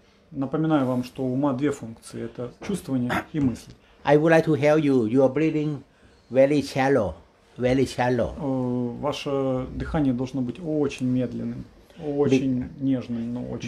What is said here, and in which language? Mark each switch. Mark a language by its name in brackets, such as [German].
[Russian] Напоминаю вам, что ума две функции, это чувствование и мысли. [English] I would like to help you. You are breathing very shallow, very shallow. [Russian] Ваше дыхание должно быть очень медленным, очень нежным, но очень